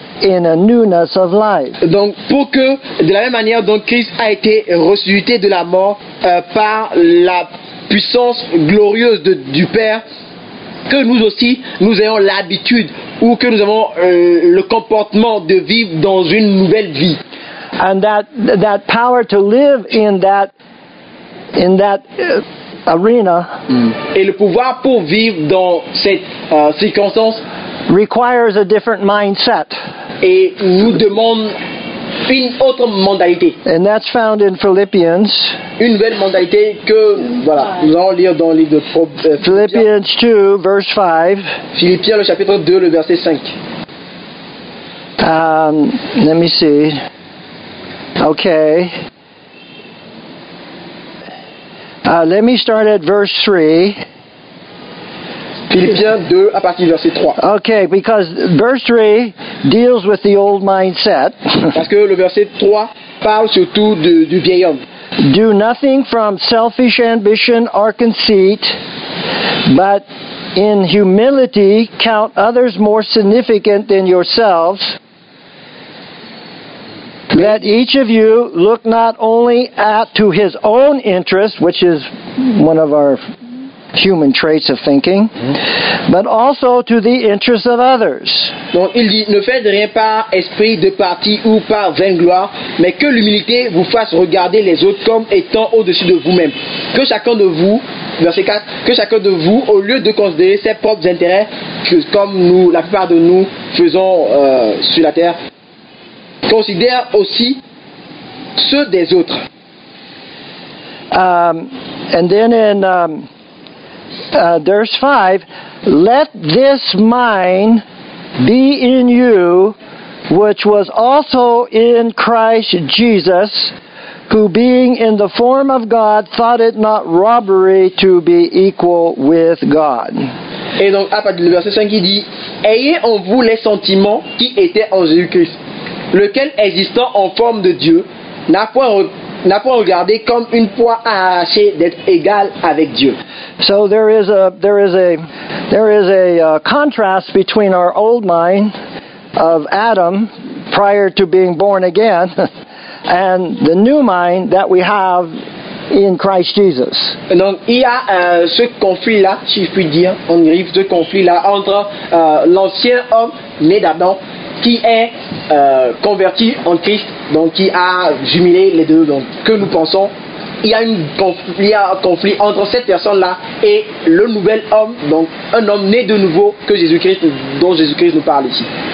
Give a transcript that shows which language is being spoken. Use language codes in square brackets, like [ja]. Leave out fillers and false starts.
[en] in a newness of life. [fr] Donc pour que de la même manière dont Christ a été ressuscité de la mort par la puissance glorieuse de, du Père, que nous aussi nous ayons l'habitude ou que nous avons le comportement de vivre dans une nouvelle vie. [en] And that power to live in that arena. [fr] Et le pouvoir pour vivre dans cette circonstance [en] requires a different mindset. [fr] Et nous demande une autre mentalité. [en] And that's found in Philippians. [fr] Une nouvelle mentalité que voilà, nous allons lire dans le livre de Philippiens 2, verse 5. Philippiens, le chapitre 2, le verset 5. [en] Let me see. Okay. Let me start at verse 3. [fr] Philippiens 2 à partir du verset 3. [en] Okay, because verse 3 deals with the old mindset. [fr] Parce que le verset 3 parle surtout du vieil homme. [en] Do nothing from selfish ambition or conceit, but in humility count others more significant than yourselves. Let each of you look not only at to his own interest, which is one of our human traits of thinking, but also to the interests of others. [fr] Donc il dit, ne faites rien par esprit de parti ou par vain gloire, mais que l'humilité vous fasse regarder les autres comme étant au-dessus de vous-même. Que chacun de vous, verset 4, que chacun de vous, au lieu de considérer ses propres intérêts, que, comme nous, la plupart de nous faisons sur la terre, considère aussi ceux des autres. [en] And then in verse 5, let this mind be in you, which was also in Christ Jesus, who being in the form of God, thought it not robbery to be equal with God. [fr] Et donc, à partir du verset 5, il dit, ayez en vous les sentiments qui étaient en Jésus-Christ, lequel existant en forme de Dieu, n'a point regardé comme une proie à arracher d'être égal avec Dieu. [en] So there is a contrast between our old mind of Adam prior to being born again and the new mind that we have in Christ Jesus. [fr] Donc il y a ce conflit là, si je puis dire, on arrive ce conflit là entre l'ancien homme né d'Adam qui est converti en Christ, donc qui a jumelé les deux, donc que nous pensons. Il y a un conflit entre cette personne-là et le nouvel homme, donc un homme né de nouveau que Jésus-Christ, dont Jésus-Christ nous parle ici.